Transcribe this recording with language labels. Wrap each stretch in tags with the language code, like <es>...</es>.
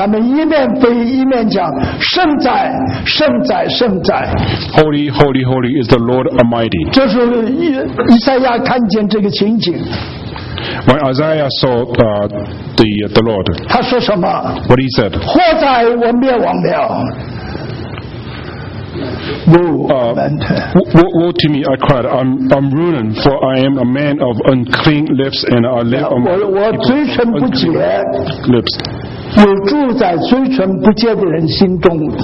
<en>Holy, holy, holy is the Lord Almighty.</en> <zh>这是以赛亚看见这个情景。</zh> <en>When Isaiah saw the Lord,</en> <zh>他说什么？</zh> <en>What he said?</en> <zh>祸在我灭亡了。</zh> <en>Woe to me, I cried. I'm ruined, for I am a man of unclean lips, and I live among people lips.</en> <zh>我住在嘴唇不洁的人心中。</zh>